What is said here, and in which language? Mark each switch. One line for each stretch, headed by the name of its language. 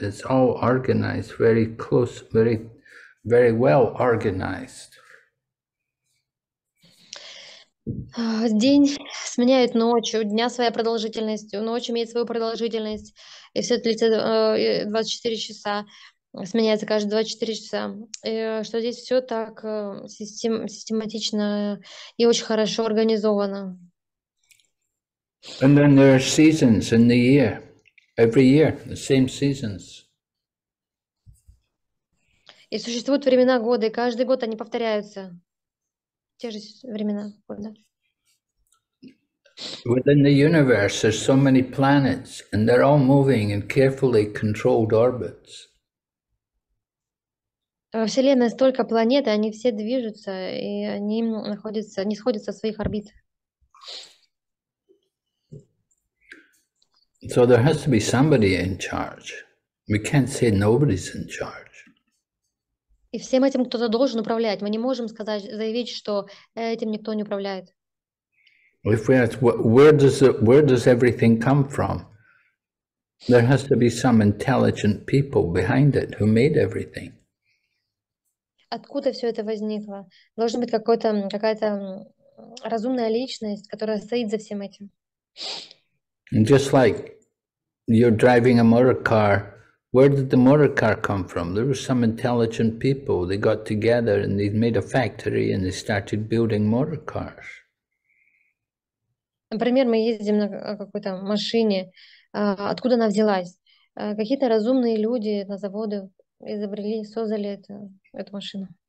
English: It's all organized, very close, very, very well organized.
Russian: День сменяет ночью, дня своя продолжительность, ночь имеет свою продолжительность, и все длится 24 часа, сменяется каждые 24 часа, и что здесь все так систематично и очень хорошо организовано.
English: And then there are seasons in the year, every year, the same seasons.
Russian: И существуют времена года, и каждый год они повторяются. Те же времена года.
English: Within the universe, there's so many planets, and they're all moving in carefully controlled orbits.
Russian: Во Вселенной столько планет, они все движутся, и они находятся, не сходятся в своих орбитах.
English: So there has to be somebody in charge. We can't say nobody's in charge.
Russian: И всем этим кто-то должен управлять. Мы не можем сказать, заявить, что этим никто не управляет.
English: If we ask, where does everything come from? There has to be some intelligent people behind it who made everything.
Russian: Откуда все это возникло? Должна быть какая-то разумная личность, которая стоит за всем этим.
English: And just like you're driving a motor car, Where did the motor car come from? There were some intelligent people. They got together and they made a factory and they started building motor cars.
Russian: Например, мы ездим на какой-то машине. Откуда она взялась? Какие-то разумные люди на заводе изобрели, создали эту машину.